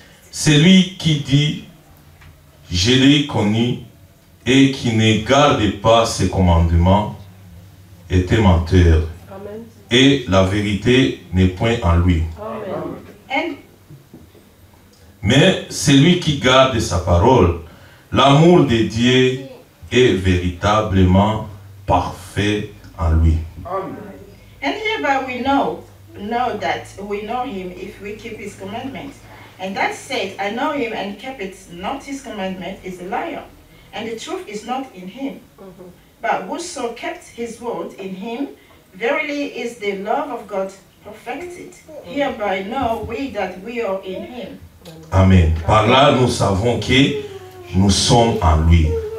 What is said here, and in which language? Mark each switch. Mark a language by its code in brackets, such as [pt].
[fr] Celui qui dit « Je l'ai connu » et qui ne garde pas ses commandements est un menteur. Amen. Et la vérité n'est point en lui. Amen. Mais celui qui garde sa parole, l'amour de Dieu est véritablement parfait en lui. Amen. [en] And hereby we know him if we keep his commandments. And that said, I know him and kept it not his commandment is a liar, and the truth is not in him. Mm-hmm. But whoso kept his word in him, verily is the love of God perfected. Mm-hmm. Hereby know we that we are in him. Amen. [fr] Par là nous savons que nous sommes en lui.